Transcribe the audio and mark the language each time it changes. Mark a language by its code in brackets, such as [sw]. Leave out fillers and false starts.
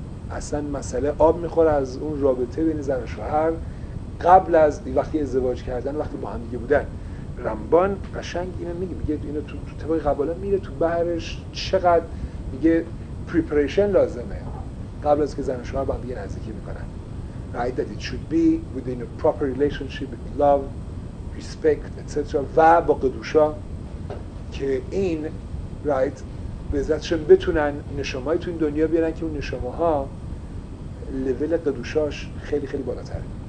[fa] اصلا مسئله آب میخوره از اون رابطه بین زن و شوهر قبل از وقتی ازدواج کردن، وقتی با هم دیگه بودن. رمبان قشنگ اینو میگه، میگه اینو تو طبق قباله میره تو بحرش چقدر میگه preparation لازمه قبل از که زن و شوهر با هم دیگه نزدیکی میکنن. [en] Right that it should be within a proper relationship with love, respect, etc. [fa] و با قدوشا که این right به عزتشون بتونن نشمایی تو این دنیا بیارن که اون نشماها لول قدوشاش خیلی خیلی بالاتره.